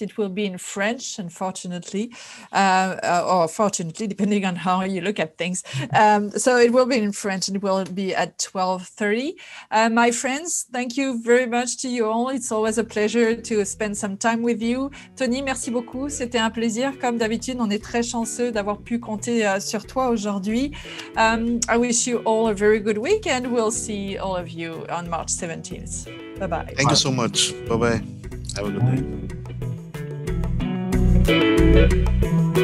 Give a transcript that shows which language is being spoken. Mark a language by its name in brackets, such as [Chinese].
[English] It will be in French, unfortunately, or fortunately, depending on how you look at things. So it will be in French and it will be at 12:30. My friends, thank you very much to you all. It's always a pleasure to spend some time with you. [French] Tony, merci beaucoup. C'était un plaisir. Comme d'habitude, on est très chanceux d'avoir pu compter sur toi aujourd'hui. [English] I wish you all a very good week and we'll see all of you on March 17th. Bye-bye. Thank you so much. Bye-bye. Have a good day.